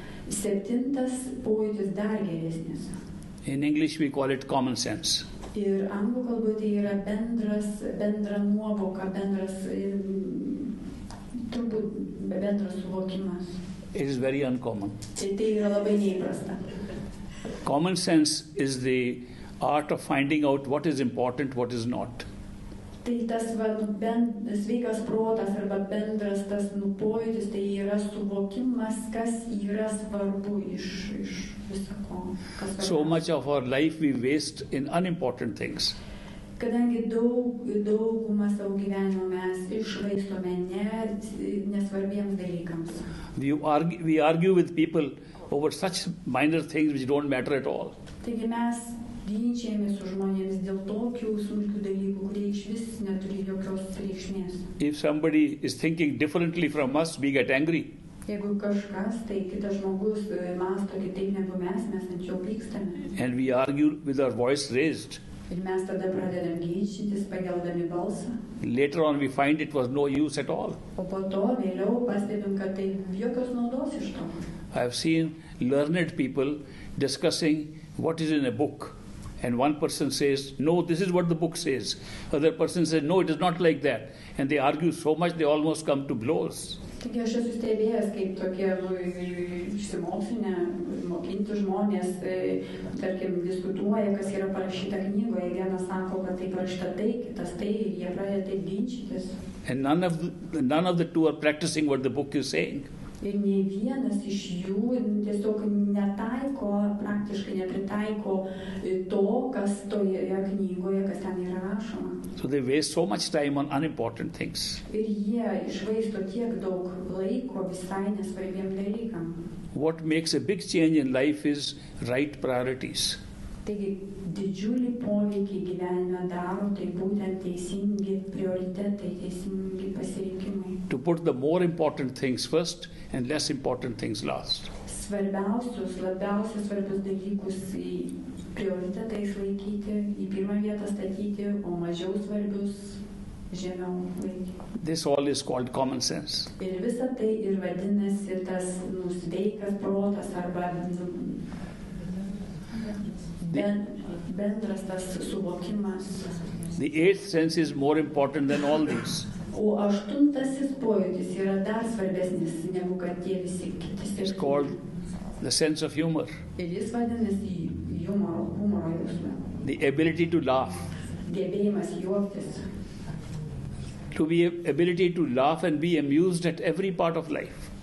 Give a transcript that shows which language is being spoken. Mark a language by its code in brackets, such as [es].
[lt] Septintas pojūtis dar geresnis. [en] In English we call it common sense. [lt] Ir anglų kalboje tai yra bendras suvokimas. [en] It is very uncommon. [lt] Tai yra labai neįprasta. [en] Common sense is the art of finding out what is important, what is not. [lt] Tai tas sveikas protas arba bendras tas pojūtis, tai yra suvokimas, kas yra svarbu iš viso ko. [en] So much of our life we waste in unimportant things. [lt] Kadangi daugumą savo gyvenimo mes iššvaistome nesvarbiems dalykams. [en] We argue with people over such minor things which don't matter at all. [lt] Taigi mes ginčijamės su žmonėmis dėl tokių smulkių dalykų, kurie iš vis neturi jokios reikšmės. [en] If somebody is thinking differently from us, we get angry. [lt] Jeigu kažkas, tai kitas žmogus masto kitaip negu mes ant jo pykstame. [en] And we argue with our voice raised. [lt] Ir mes tada pradedam ginčytis, pageldami balsą. [en] Later on we find it was no use at all. [lt] O po to vėliau pastebim, kad tai jokios naudos iš to. [en] I have seen learned people discussing what is in a book. And one person says, no, this is what the book says. Other person says, no, it is not like that. And they argue so much, they almost come to blows. [lt] Taigi aš esu stebėjęs, kaip tokie išsimokslinę, mokinti žmonės, tarkim, diskutuoja, kas yra parašyta knygoje. Vienas sako, kad tai parašyta tai, kitas tai, ir jie pradeda taip ginčytis. [en] And none of the two are practicing what the book is saying. [lt] Ir ne vienas iš jų tiesiog netaiko, praktiškai nepritaiko to, kas toje knygoje, kas ten įrašoma. [en] So they waste so much time on unimportant things. [lt] Ir jie išvaisto tiek daug laiko visai nesvarbiem dalykam. [en] What makes a big change in life is right priorities. [lt] Taigi didžiulį poveikį gyvenime daro, tai būtent teisingi prioritetai, teisingi pasirinkimai. [en] To put the more important things first and less important things last. [lt] Svarbiausius, labiausiai svarbius dalykus į prioritetais laikyti, į pirmą vietą statyti, o mažiau svarbius žemiau laikyti. [en] This all is called common sense. [lt] Ir visa tai ir vadinasi tas sveikas protas arba bendras tas suvokimas. [en] The 8th sense is more important than all these. [lt] O aštuntasis pojūtis yra dar svarbesnis negu kad tie visi kiti. [en] It's called the sense of humor. [lt] Ir jis vadinasi humoro jausmu. [en] The ability to laugh. [lt] Gebėjimas juoktis. [en] To be ability to laugh and be amused at every part of life.